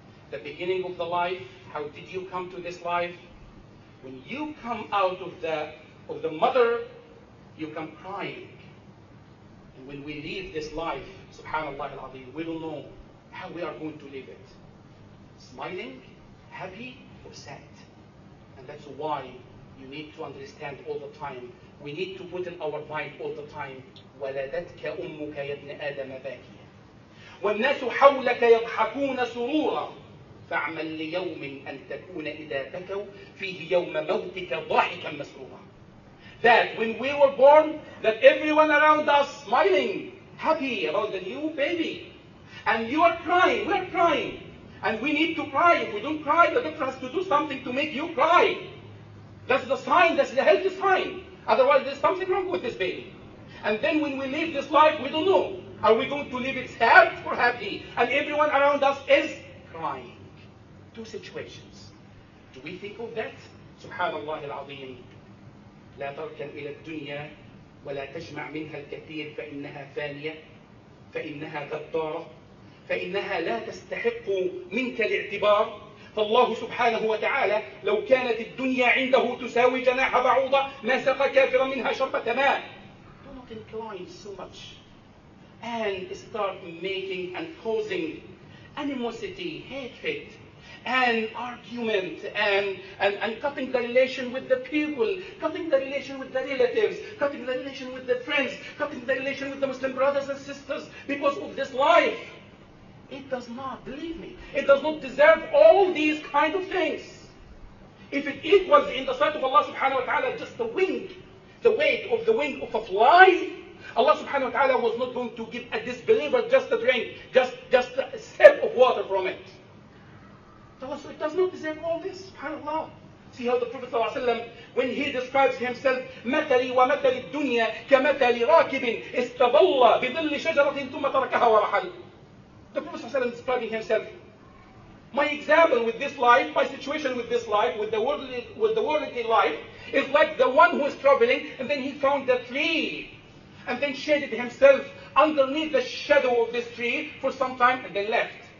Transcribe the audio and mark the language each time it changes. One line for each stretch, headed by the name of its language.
English: The beginning of the life, how did you come to this life? When you come out of the mother, you come crying. And when we leave this life, subhanAllah al-Azim, we don't know how we are going to live it. Smiling, happy, or sad? And that's why you need to understand all the time. We need to put in our mind all the time,
Arabic: وَلَدَتْكَ أُمُّكَ يَبْنِ آدَمَ بَاكِيًا وَالنَّاسُ حَوْلَكَ يَضْحَكُونَ سُرُورًا فَعْمَلْ لِيَوْمٍ أَنْ تَكُونَ إِذَا بَكَوْا فِيهِ يَوْمَ مَوْتِكَ ضَحِكًا مَسْرُورًا.
English: That when we were born, that everyone around us smiling, happy about the new baby. And you are crying, we are crying. And we need to cry. If we don't cry, the doctor has to do something to make you cry. That's the sign, that's the healthy sign. Otherwise, there's something wrong with this baby. And then when we live this life, we don't know. Are we going to live it sad or happy? And everyone around us is crying. Two situations. Do we think of that? Subhanallah al-Azim.
Arabic: لا تركن إلى الدنيا ولا تجمع منها الكثير فإنها فانية فإنها غدارة فإنها لا تستحق منك الاعتبار. فالله سبحانه وتعالى لو كانت الدنيا عنده تساوي جناح بعوضة ما سقى كافرا منها شربة ماء.
English: Incline so much and start making and causing animosity, hatred, and argument, and cutting the relation with the people, cutting the relation with the relatives, cutting the relation with the friends, cutting the relation with the Muslim brothers and sisters because of this life. It does not, believe me, it does not deserve all these kind of things. If it equals in the sight of Allah subhanahu wa ta'ala just the wing, the weight of the wing of a fly, Allah subhanahu wa ta'ala was not going to give a disbeliever just a drink, just a sip of water from it. So it does not deserve all this, subhanAllah. See how the Prophet ﷺ, when he describes himself,
Arabic: مَثَلِي وَمَثَلِ الدُّنْيَا كَمَثَلِ رَاكِبٍ اسْتَضَلَّ بِظِلِّ شَجَرَةٍ ثُمَّ تَرَكَهَا وَرَحَلْ.
English: The Prophet ﷺ describing himself, my example with this life, my situation with this life, with the worldly life, is like the one who is traveling, and then he found a tree, and then shaded himself underneath the shadow of this tree for some time, and then left.